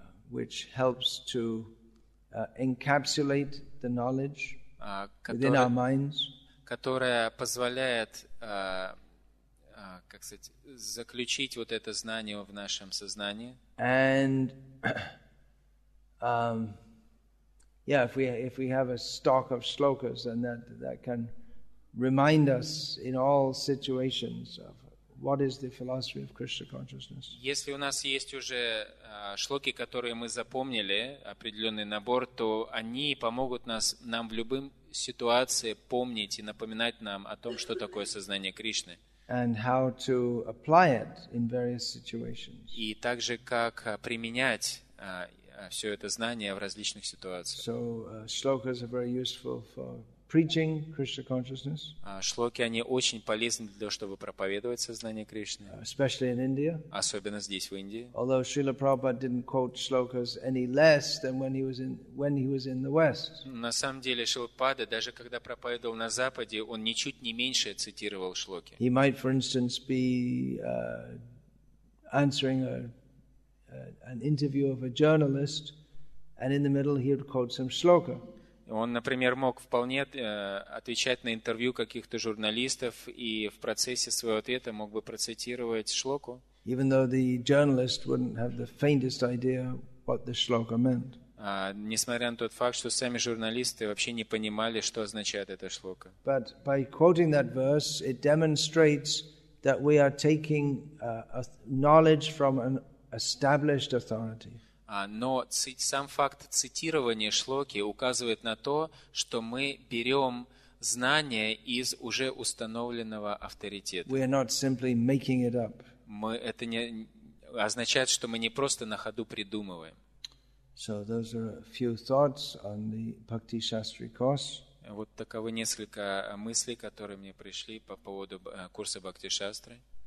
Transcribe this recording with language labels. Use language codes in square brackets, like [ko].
[en] Which helps to encapsulate the knowledge within our minds. [ru] Которая позволяет, как сказать, заключить вот это знание в нашем сознании. [en] And if we have a stock of shlokas, then that can remind us in all situations of what is the philosophy of Krishna consciousness. [ru] Если у нас есть уже шлоки, которые мы запомнили, определенный набор, то они помогут нам в любом ситуации помнить и напоминать нам о том, что такое сознание Кришны. [en] And how to apply it in various situations. [ru] И также как применять все это знание в различных ситуациях. [en] So shlokas are very useful for preaching Krishna consciousness. [ru] Шлоки они очень полезны для того, чтобы проповедовать сознание Кришны. [en] Especially in India. [ru] Особенно здесь, в Индии. [en] Although Srila Prabhupada didn't quote shlokas any less than when he was in the West. [ru] На самом деле Шрила Прабхупада, даже когда проповедовал на Западе, он ничуть не меньше цитировал шлоки. [en] He might, for instance, be answering an interview of a journalist, and in the middle he would quote some shloka. [ru] Он, например, мог вполне отвечать на интервью каких-то журналистов и в процессе своего ответа мог бы процитировать шлоку. [en] Even though the journalist wouldn't have the faintest idea what the shloka meant. [ru] Несмотря на тот факт, что сами журналисты вообще не понимали, что означает эта шлока. [en] But by quoting that verse, it demonstrates that we are taking knowledge from an established authority. [ru] Но сам факт цитирования шлоки указывает на то, что мы берем знания из уже установленного авторитета. [en] We are not simply making it up. [ru] Это не означает, что мы не просто на ходу придумываем. [en] So those are a few thoughts on the Bhakti Shastri course. [ru] Вот таковы несколько мыслей, которые мне пришли по поводу курса Бхакти Шастры.